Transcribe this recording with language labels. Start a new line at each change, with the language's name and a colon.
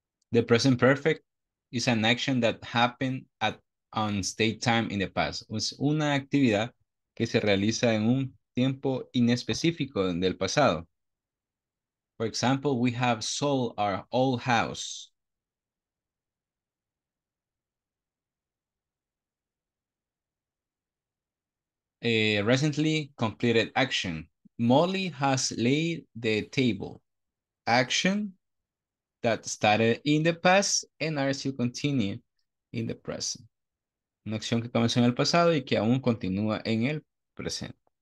English: The present perfect is an action that happened at on state time in the past.
Spanish: Es una actividad que se realiza en un tiempo inespecífico del pasado.
English: For example, we have sold our old house. A recently completed action. Molly has laid the table. Action that started in the past and are still continuing in the present.
Spanish: Una acción que comenzó en el pasado y que aún continúa en el presente.